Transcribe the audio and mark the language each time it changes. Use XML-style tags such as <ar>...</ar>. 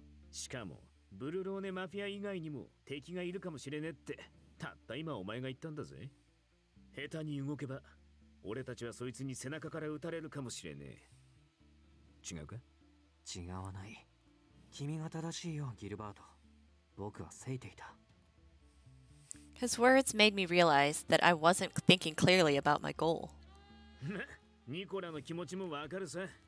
<ja>しかも、ブルローネマフィア以外にも敵がいるかもしれねえって、たった今お前が言ったんだぜ。下手に動けば、俺たちはそいつに背中から撃たれるかもしれねえ。違うか？違わない。君が正しいよ、ギルバート。僕はせいていた。</ja> <en>His words made me realize that I wasn't thinking clearly about my goal.</en> <ja>ニコラの気持ちもわかるさ。</ja>